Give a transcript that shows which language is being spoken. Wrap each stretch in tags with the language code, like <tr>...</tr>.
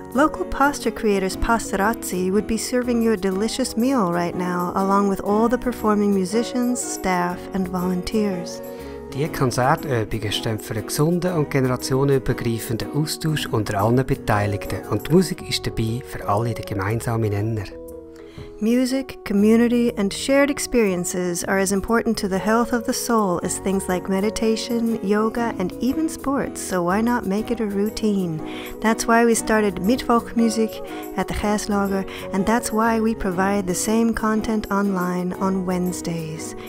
<en>Local pasta creators Pastorazzi would be serving you a delicious meal right now, along with all the performing musicians, staff and volunteers.</en> <de>Die Konzertübungen stehen für einen gesunden und generationenübergreifenden Austausch unter allen Beteiligten und die Musik ist dabei für alle der gemeinsamen Nenner.</de> <en>Music, community and shared experiences are as important to the health of the soul as things like meditation, yoga and even sports, so why not make it a routine? That's why we started Mittwochmusik at the Käslager and that's why we provide the same content online on Wednesdays.</en>